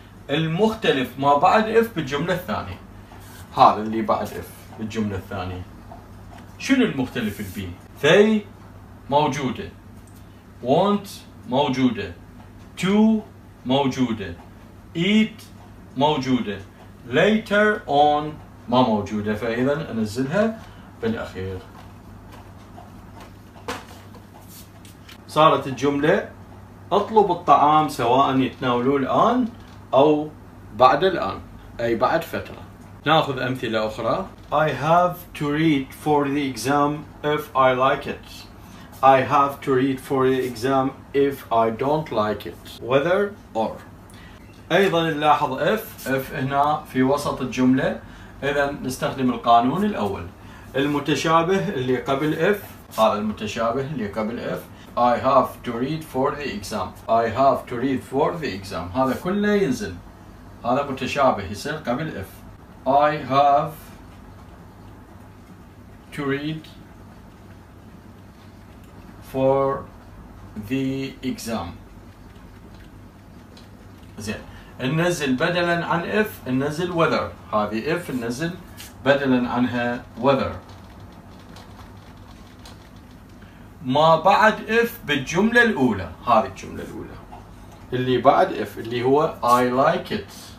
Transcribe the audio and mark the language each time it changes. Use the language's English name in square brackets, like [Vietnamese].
[Arabic] المختلف ما بعد if بالجملة الثانية، هذا اللي بعد if بالجملة الثانية، شنو المختلف البي؟ they موجودة، want موجودة، to موجودة، eat موجودة، later on ما موجودة، فإذا أنزلها بالأخير. صارت الجملة أطلب الطعام سواء يتناولوه الآن أو بعد الآن، أي بعد فترة. نأخذ أمثلة أخرى. [English] I have to read for the exam if I like it. I have to read for the exam if I don't like it. Whether or. [Arabic] أيضا نلاحظ if. if هنا في وسط الجملة. إذا نستخدم القانون الأول. المتشابه اللي قبل if. هذا المتشابه اللي قبل if. [English] I have to read for the exam. I have to read for the exam. [Arabic] هذا كله ينزل. هذا متشابه يصير قبل if. [English] I have to read for the exam. [Arabic] زين ننزل بدلا عن if ننزل whether، هذه if ننزل بدلا عنها whether. ما بعد if بالجملة الأولى، هذه الجملة الأولى اللي بعد if اللي هو [English] I like it.